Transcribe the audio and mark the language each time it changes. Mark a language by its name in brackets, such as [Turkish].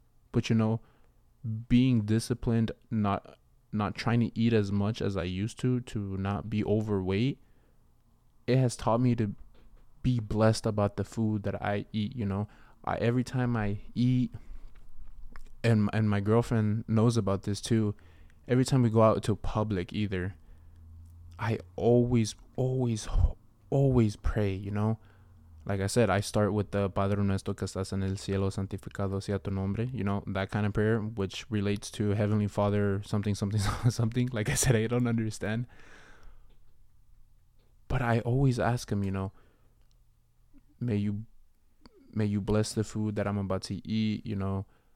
[English] But you know, being disciplined, not trying to eat as much as I used to not be overweight, it has taught me to be blessed about the food that I eat. You know, every time I eat, and my girlfriend knows about this too, every time we go out to public either, I always, always, always pray, you know. Like I said, I start with the [Spanish] Padre Nuestro que estás en el cielo, santificado sea tu nombre. [English] You know, that kind of prayer, which relates to Heavenly Father, something, something, something. Like I said, I don't understand. But I always ask him, you know, may you bless the food that I'm about to eat, you know.